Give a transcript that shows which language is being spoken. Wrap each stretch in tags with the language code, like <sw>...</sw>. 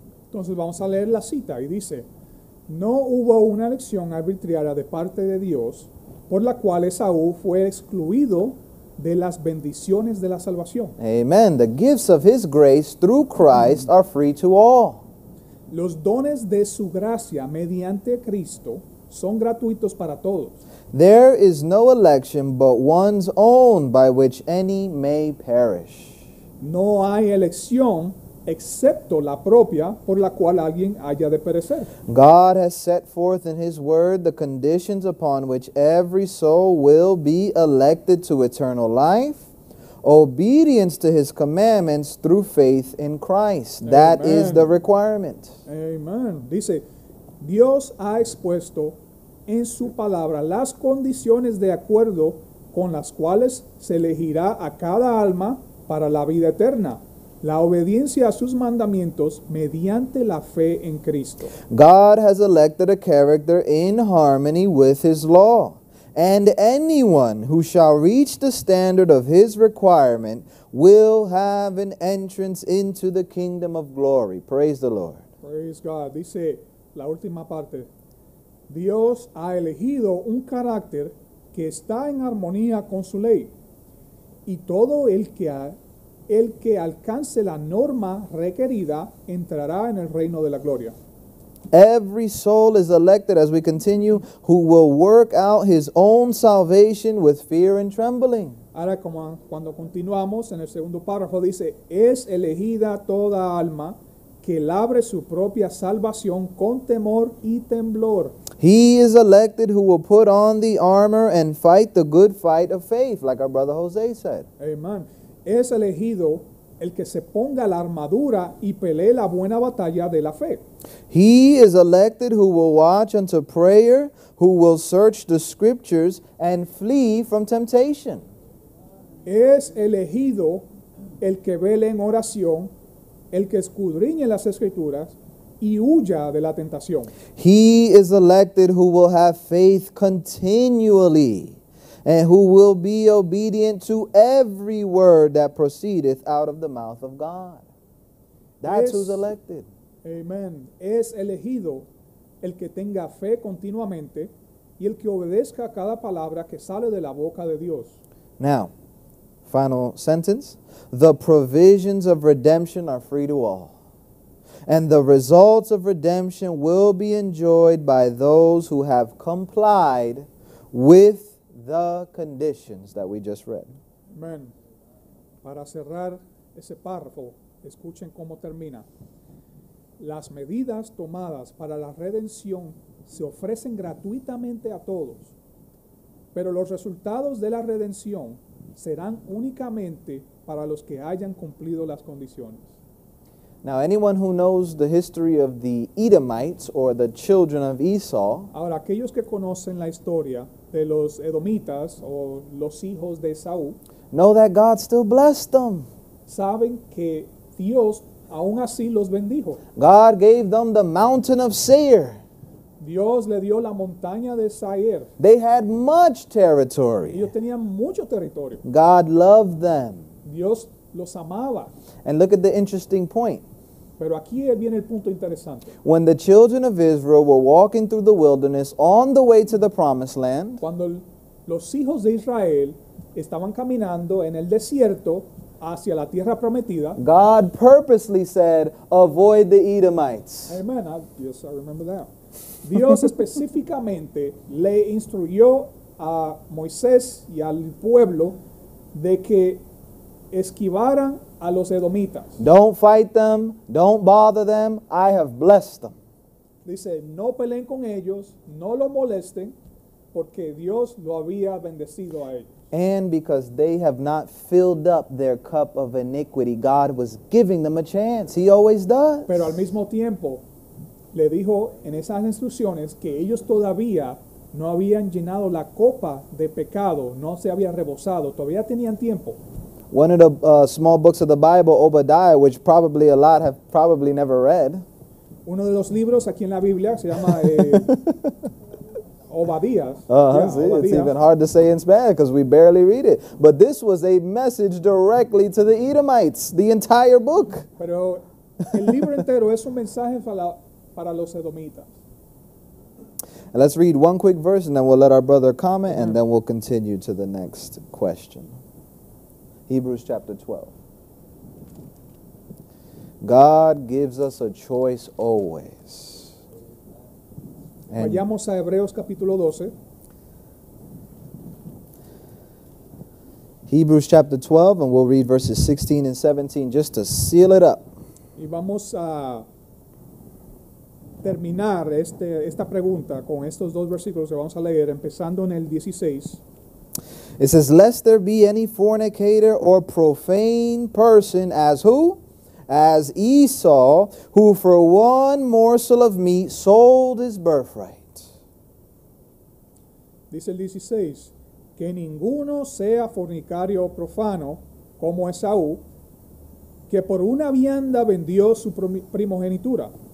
<es>Entonces vamos a leer la cita y dice, no hubo una elección arbitraria de parte de Dios por la cual Esaú fue excluido de las bendiciones de la salvación. Amen.</es> <en>The gifts of his grace through Christ are free to all.</en> <es>Los dones de su gracia mediante Cristo son gratuitos para todos.</es> <en>There is no election but one's own by which any may perish.</en> <es>No hay elección excepto la propia por la cual alguien haya de perecer.</es> <en>God has set forth in his word the conditions upon which every soul will be elected to eternal life, obedience to his commandments through faith in Christ. Amen. That is the requirement. Amen.</en> <es>Dice, Dios ha expuesto en su palabra las condiciones de acuerdo con las cuales se elegirá a cada alma para la vida eterna, la obediencia a sus mandamientos mediante la fe en Cristo.</es> <en>God has elected a character in harmony with his law, and anyone who shall reach the standard of his requirement will have an entrance into the kingdom of glory. Praise the Lord. Praise God.</en> <es>Dice la última parte. Dios ha elegido un carácter que está en armonía con su ley, y todo el que el que alcance la norma requerida entrará en el reino de la gloria.</es> <en>Every soul is elected, as we continue, who will work out his own salvation with fear and trembling.</en> <es>Ahora, como cuando continuamos en el segundo párrafo, dice, es elegida toda alma que labre su propia salvación con temor y temblor.</es> <en>He is elected who will put on the armor and fight the good fight of faith, like our brother Jose said. Amen.</en> <es>Es elegido el que se ponga la armadura y pelee la buena batalla de la fe.</es> <en>He is elected who will watch unto prayer, who will search the scriptures and flee from temptation.</en> <es>Es elegido el que vele en oración, el que escudriñe las escrituras y huya de la tentación.</es> <en>He is elected who will have faith continually and who will be obedient to every word that proceedeth out of the mouth of God. That's who's elected. Amen.</en> <es>Es elegido el que tenga fe continuamente y el que obedezca cada palabra que sale de la boca de Dios.</es> <en>Now, final sentence. The provisions of redemption are free to all. And the results of redemption will be enjoyed by those who have complied with the conditions that we just read. Amen.</en> <es>Para cerrar ese párrafo, escuchen cómo termina. Las medidas tomadas para la redención se ofrecen gratuitamente a todos, pero los resultados de la redención serán únicamente para los que hayan cumplido las condiciones.</es> <en>Now, anyone who knows the history of the Edomites or the children of Esau.</en> <es>Ahora, aquellos que conocen la historia de los Edomitas o los hijos de Esaú.</es> <en>Know that God still blessed them.</en> <es>Saben que Dios aún así los bendijo.</es> <en>God gave them the mountain of Seir.</en> <es>Dios le dio la montaña de Seir.</es> <en>They had much territory.</en> <es>Ellos tenían mucho territorio.</es> <en>God loved them.</en> <es>Dios los amaba.</es> <en>And look at the interesting point.</en> <es>Pero aquí viene el punto interesante.</es> <en>When the children of Israel were walking through the wilderness on the way to the promised land,</en> <es>cuando los hijos de Israel estaban caminando en el desierto hacia la tierra prometida,</es> <en>God purposely said, avoid the Edomites. Amen. Yes, I remember that.</en> <es>Dios específicamente le instruyó a Moisés y al pueblo de que esquivaran a los Edomitas.</es> <en>Don't fight them, don't bother them, I have blessed them.</en> <es>Dice, no peleen con ellos, no lo molesten, porque Dios lo había bendecido a ellos.</es> <en>And because they have not filled up their cup of iniquity, God was giving them a chance. He always does.</en> <es>Pero al mismo tiempo, le dijo en esas instrucciones que ellos todavía no habían llenado la copa de pecado, no se habían rebosado, todavía tenían tiempo.</es> <en>One of the small books of the Bible, Obadiah, which probably a lot have probably never read.</en> <es>Uno de los libros aquí en la Biblia se llama Obadiah.</es> <en>It's even hard to say in Spanish because we barely read it. But this was a message directly to the Edomites, the entire book.</en> <es>Pero el libro entero es un mensaje para los Edomitas.</es> <en>And let's read one quick verse and then we'll let our brother comment and then we'll continue to the next question. Hebrews chapter 12. God gives us a choice always. And</en> <es>vayamos a Hebreos capítulo 12.</es> <en>Hebrews chapter 12, and we'll read verses 16 and 17 just to seal it up.</en> <es>Y vamos a terminar esta pregunta con estos dos versículos que vamos a leer, empezando en el 16.</es> <en>It says, lest there be any fornicator or profane person as who? As Esau, who for one morsel of meat sold his birthright.</en> <es>Dice el 16, que ninguno sea fornicario o profano como Esaú, que por una vianda vendió su primogenitura.</es>